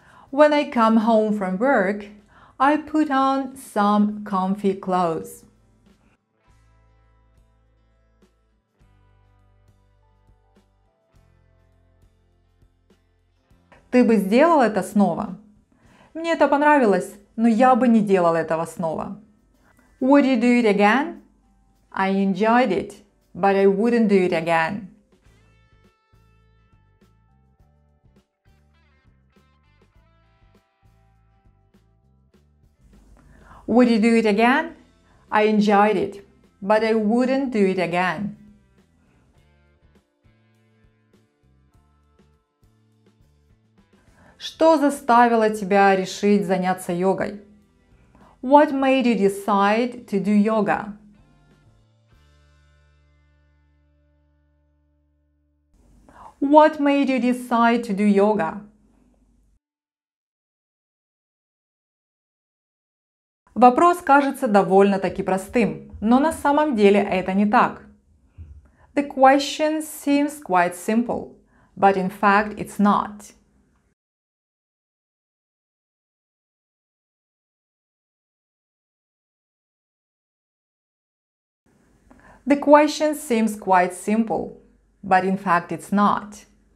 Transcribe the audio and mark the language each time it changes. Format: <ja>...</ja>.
<en>When I come home from work, I put on some comfy clothes.</en> <ru>Ты бы сделал это снова? Мне это понравилось, но я бы не делал этого снова.</ru> <en>Would you do it again? I enjoyed it, but I wouldn't do it again. Would you do it again? I enjoyed it, but I wouldn't do it again.</en> <ru>Что заставило тебя решить заняться йогой?</ru> <en>What made you decide to do yoga? What made you decide to do yoga?</en> <ru>Вопрос кажется довольно-таки простым, но на самом деле это не так.</ru> <en>The question seems quite simple, but in fact it's not. The question seems quite simple, but in fact it's not.</en>